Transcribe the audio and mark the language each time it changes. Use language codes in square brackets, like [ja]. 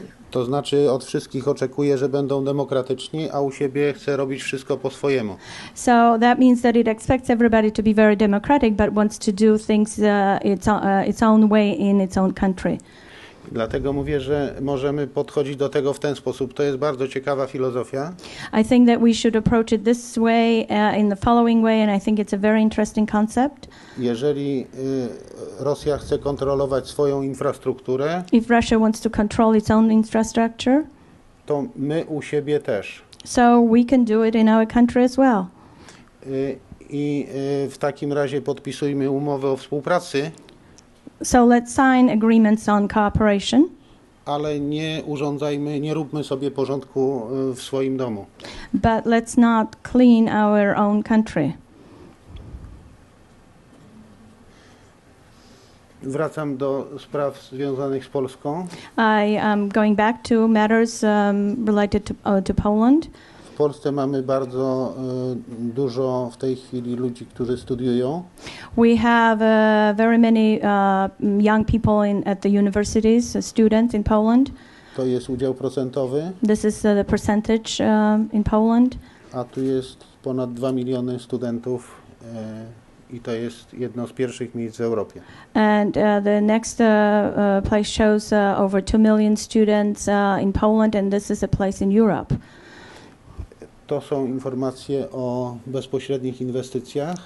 [pl] To znaczy od wszystkich oczekuje, że będą demokratyczni, a u siebie chce robić wszystko po swojemu. [en] So that means that it expects everybody to be very democratic, but wants to do things its own way in its own country. [pl] Dlatego mówię, że możemy podchodzić do tego w ten sposób. To jest bardzo ciekawa filozofia. [en] I think that we should approach it this way, in the following way, and I think it's a very interesting concept. [pl] Jeżeli Rosja chce kontrolować swoją infrastrukturę, [en] if Russia wants to control its own infrastructure, [pl] to my u siebie też. [en] So we can do it in our country as well. [pl] I w takim razie podpisujmy umowę o współpracy. [en] So let's sign agreements on cooperation. [pl] Ale nie urządzajmy, nie róbmy sobie porządku w swoim domu. [en] But let's not clean our own country. [pl] Wracam do spraw związanych z Polską. [en] I am going back to matters related to Poland. [pl] W Polsce mamy bardzo dużo w tej chwili ludzi, którzy studiują. [en] We have very many young people in at the universities, students in Poland. [pl] To jest udział procentowy. [en] This is the percentage in Poland. [pl] A tu jest ponad 2 miliony studentów i to jest jedno z pierwszych miejsc w Europie. [en] And the next place shows over 2 million students in Poland, and this is a place in Europe. [pl] To są informacje o bezpośrednich inwestycjach.